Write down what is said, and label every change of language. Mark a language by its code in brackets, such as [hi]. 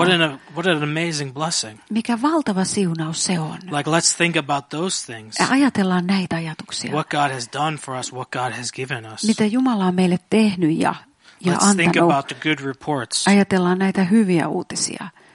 [en] Like what an amazing blessing. [fi] Mikä valtava siunaus se on. [en] Like let's think about those things. [fi] Ajatellaan näitä ajatuksia. [en] What God has done for us, what God has given us. [fi] Mitä Jumala on meille tehnyt ja [en] let's [fi] antanut. [en] Think about the good reports. [fi] Ajatellaan näitä hyviä uutisia.